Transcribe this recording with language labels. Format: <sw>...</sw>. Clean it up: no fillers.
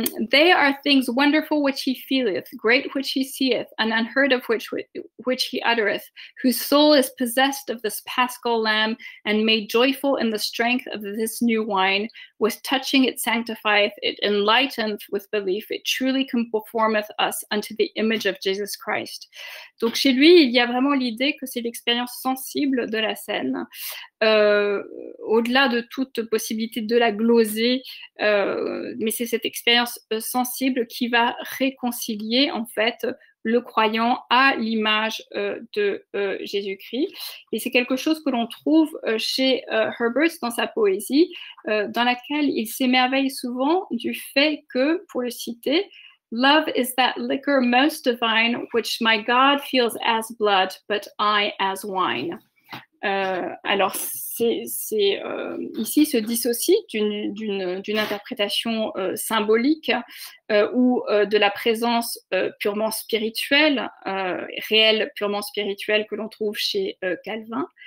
<en>They are things wonderful which he feeleth, great which he seeth, and unheard of which he uttereth, whose soul is possessed of this paschal lamb and made joyful in the strength of this new wine, with touching it sanctifieth, it enlighteneth with belief, it truly conformeth us unto the image of Jesus Christ.</en> <fr>Donc chez lui, il y a vraiment l'idée que c'est l'expérience sensible de la scène, au-delà de toute possibilité de la gloser, mais c'est cette expérience sensible qui va réconcilier en fait le croyant à l'image de Jésus-Christ. Et c'est quelque chose que l'on trouve chez Herbert dans sa poésie, dans laquelle il s'émerveille souvent du fait que, pour le citer,</fr> <en>Love is that liquor most divine, which my God feels as blood, but I as wine.</en> <fr>Alors, c'est ici se dissocie d'une interprétation symbolique ou de la présence purement spirituelle, réelle, purement spirituelle que l'on trouve chez Calvin,</fr>